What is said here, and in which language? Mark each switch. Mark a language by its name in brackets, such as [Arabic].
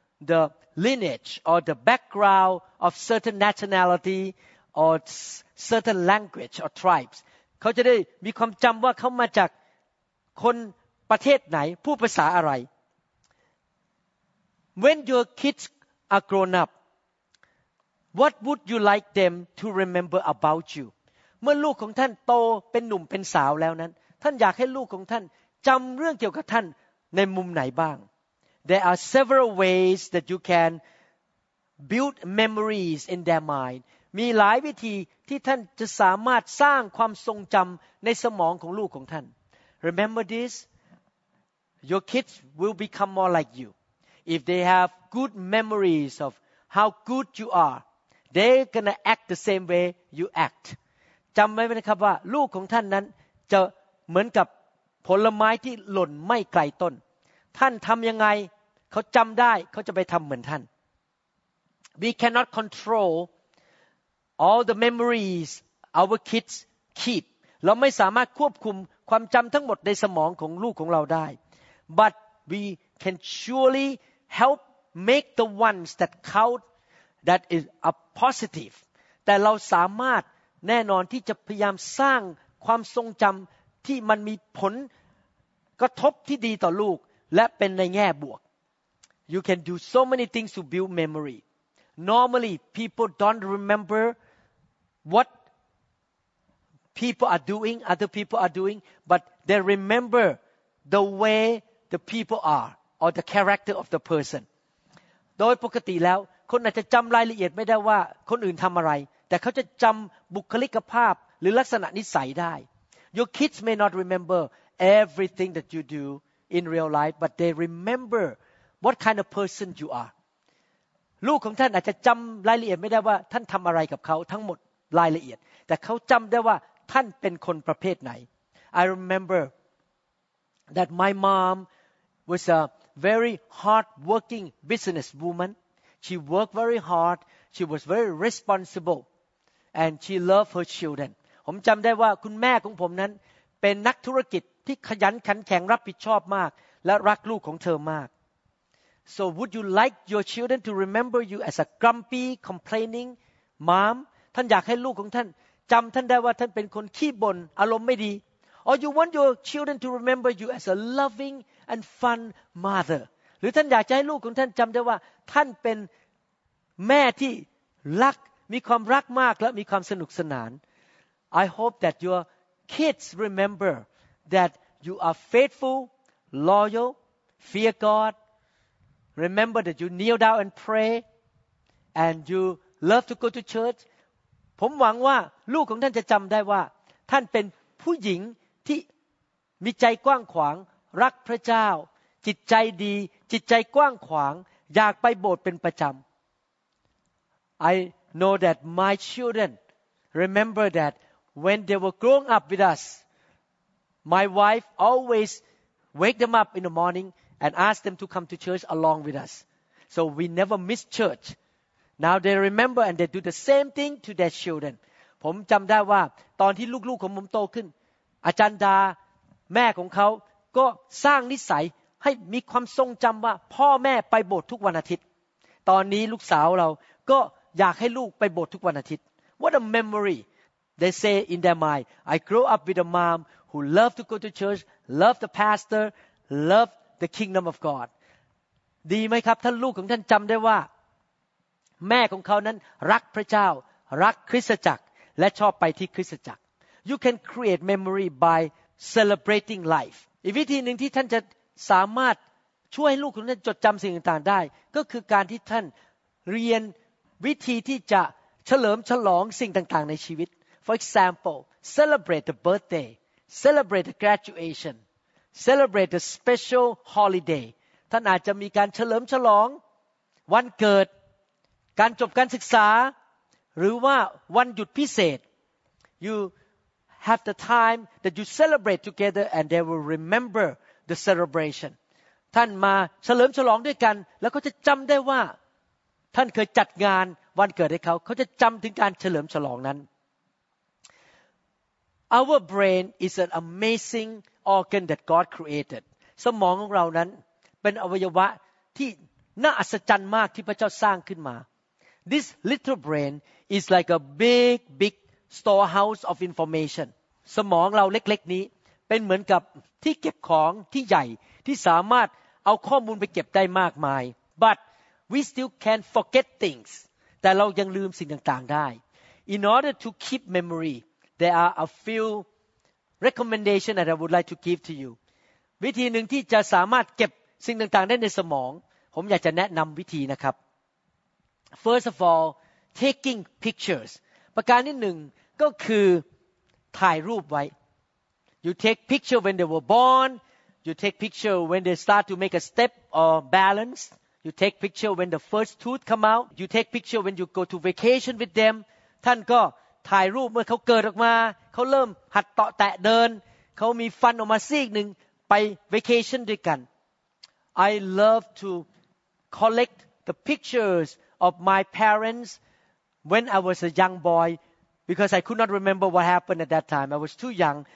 [English] the lineage or the background of certain nationality or certain language or tribes [Thai] เขาจะได้มีความจำว่าเขามาจากคนประเทศไหนพูดภาษาอะไร [English] When your kids are grown up, what would you like them to remember about you? [Thai] เมื่อลูกของท่านโตเป็นหนุ่มเป็นสาวแล้วนั้นท่านอยากให้ลูกของท่านจำเรื่องเกี่ยวกับท่านในมุมไหนบ้าง [English] There are several ways that you can build memories in their mind. [Thai] มีหลายวิธีที่ท่านจะสามารถสร้างความทรงจำในสมองของลูกของท่าน [English] Remember this. Your kids will become more like you. If they have good memories of how good you are, they're gonna act the same way you act. [Thai] จำไว้นะครับว่าลูกของท่านนั้นจะเหมือนกับผลไม้ที่หล่นไม่ไกลต้นท่านทำยังไงเขาจำได้เขาจะไปทำเหมือนท่าน [English] We cannot control all the memories our kids keep. [Thai] เราไม่สามารถควบคุมความจำทั้งหมดในสมองของลูกของเราได้ [English] But we can surely help make the ones that count that is a positive. [Thai] แต่เราสามารถแน่นอนที่จะพยายามสร้างความทรงจำที่มันมีผลกระทบที่ดีต่อลูกและเป็นในแง่บวก [English] You can do so many things to build memory. Normally, people don't remember what people are doing, other people are doing, but they remember the way the people are or the character of the person. [Thai] โดยปกติแล้วคนอาจจะจำรายละเอียดไม่ได้ว่าคนอื่นทำอะไรแต่เขาจะจำบุคลิกภาพหรือลักษณะนิสัยได้ [English] Your kids may not remember everything that you do in real life, but they remember what kind of person you are. [Thai] ลูกของท่านอาจจะจำรายละเอียดไม่ได้ว่าท่านทำอะไรกับเขาทั้งหมดรายละเอียดแต่เขาจำได้ว่าท่านเป็นคนประเภทไหน [English] I remember that my mom was a very hard-working businesswoman. She worked very hard. She was very responsible, and she loved her children. [Thai] ผมจำได้ว่าคุณแม่ของผมนั้นเป็นนักธุรกิจที่ขยันขันแข็งรับผิดชอบมากและรักลูกของเธอมาก [English] So would you like your children to remember you as a grumpy, complaining mom? [Thai] ท่านอยากให้ลูกของท่านจำท่านได้ว่าท่านเป็นคนขี้บ่นอารมณ์ไม่ดี [English] Or you want your children to remember you as a loving and fun mother? [Thai] หรือท่านอยากจะให้ลูกของท่านจำได้ว่าท่านเป็นแม่ที่รักมีความรักมากและมีความสนุกสนาน [English] I hope that your kids remember that you are faithful, loyal, fear God, remember that you kneel down and pray, and you love to go to church. [Thai] ผมหวังว่าลูกของท่านจะจำได้ว่าท่านเป็นผู้หญิงที่มีใจกว้างขวางรักพระเจ้าจิตใจดีจิตใจกว้างขวางอยากไปโบสถ์เป็นประจำ [English] I know that my children remember thatWhen they were growing up with us, my wife always wake them up in the morning and ask them to come to church along with us. So we never miss church. Now they remember and they do the same thing to their children. [Thai] ผมจำได้ว่าตอนที่ลูกๆของผมโตขึ้นอาจารย์ดาแม่ของเขาก็สร้างนิสัยให้มีความทรงจำว่าพ่อแม่ไปโบสถ์ทุกวันอาทิตย์ตอนนี้ลูกสาวเราก็อยากให้ลูกไปโบสถ์ทุกวันอาทิตย์ [English] What a memory! They say in their mind, I grew up with a mom who loved to go to church, loved the pastor, loved the kingdom of God. [Thai] ดีไหมครับท่านลูกของท่านจำได้ว่าแม่ของเขานั้นรักพระเจ้ารักคริสตจักรและชอบไปที่คริสตจักร [English] You can create memory by celebrating life. [Thai] อีกวิธีหนึ่งที่ท่านจะสามารถช่วยให้ลูกของท่านจดจำสิ่งต่างๆได้ก็คือการที่ท่านเรียนวิธีที่จะเฉลิมฉลองสิ่งต่างๆในชีวิต [English] For example, celebrate the birthday, celebrate the graduation, celebrate the special holiday. [Thai] ท่านอาจจะมีการเฉลิมฉลองวันเกิดการจบการศึกษาหรือว่าวันหยุดพิเศษ [English] You have the time that you celebrate together and they will remember the celebration. [Thai] ท่านมาเฉลิมฉลองด้วยกันแล้วเขาจะจำได้ว่าท่านเคยจัดงานวันเกิดให้เขาเขาจะจำถึงการเฉลิมฉลองนั้น [English] Our brain is an amazing organ that God created. [Thai] สมองของเรานั้นเป็นอวัยวะที่น่าอัศจรรย์มากที่พระเจ้าสร้างขึ้นมา [English] This little brain is like a big, big storehouse of information. [Thai] สมองเราเล็กๆนี้เป็นเหมือนกับที่เก็บของที่ใหญ่ที่สามารถเอาข้อมูลไปเก็บได้มากมาย [English] But we still can forget things. [Thai] แต่เรายังลืมสิ่งต่างๆได้ [English] In order to keep memory, there are a few recommendations that I would like to give to you. [Thai] วิธีหนึ่งที่จะสามารถเก็บสิ่งต่างๆได้ในสมองผมอยากจะแนะนำวิธีนะครับ [English] First of all, taking pictures. [Thai] ประการที่หนึ่งก็คือถ่ายรูปไว้ [English] You take picture when they were born. You take picture when they start to make a step or balance. You take picture when the first tooth come out. You take picture when you go to vacation with them. [Thai] ท่านก็ถ่ายรูปเมื่อเขาเกิดออกมาเขาเริ่มหัดเตาะแตะเดินเขามีฟันออกมาซีกหนึ่งไป vacation ด้วยกัน [English] I love to collect the pictures of my parents when I was a young boy because I could not remember what happened at that time. I was too young.